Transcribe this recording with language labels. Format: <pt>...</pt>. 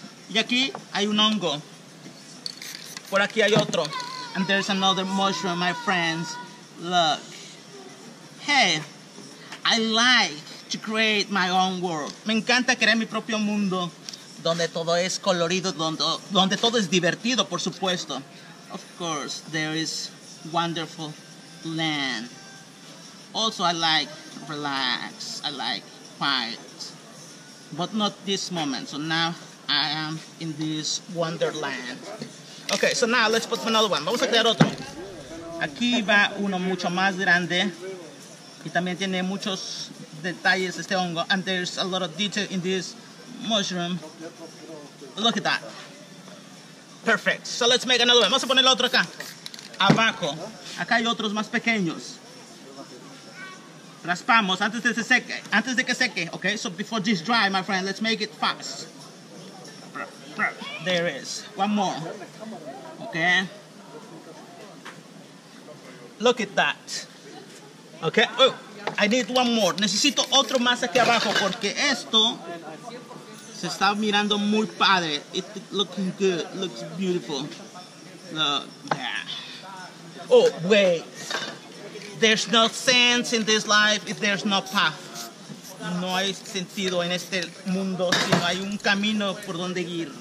<es>Y aquí hay un hongo, por aquí hay otro,</es> <en>and there's another mushroom, my friends, look. Hey, I like to create my own world.</en> <es>Me encanta crear mi propio mundo, donde todo es colorido, donde todo es divertido, por supuesto.</es> <en>Of course, there is wonderful land. Also, I like relax, I like quiet, but not this moment. So now I am in this wonderland. Okay, so now let's put another one.</en> <es>Vamos a crear otro. Aquí va uno mucho más grande y también tiene muchos detalles este hongo.</es> <en>And there's a lot of detail in this mushroom. Look at that. Perfect. So let's make another one.</en> <es>Vamos a poner otro acá. Abajo. Acá hay otros más pequeños. Raspamos antes de que seque, okay?</es> <en>So before this dry, my friend, let's make it fast. There is. One more. Okay? Look at that. Okay? Oh, I need one more.</en> <es>Necesito otro más aquí abajo porque esto se está mirando muy padre.</es> <en>It looking good. Looks beautiful. Look. Yeah. Oh, wait. There's no sense in this life if there's no path.</en> <es>No hay sentido en este mundo si no hay un camino por donde ir.</es>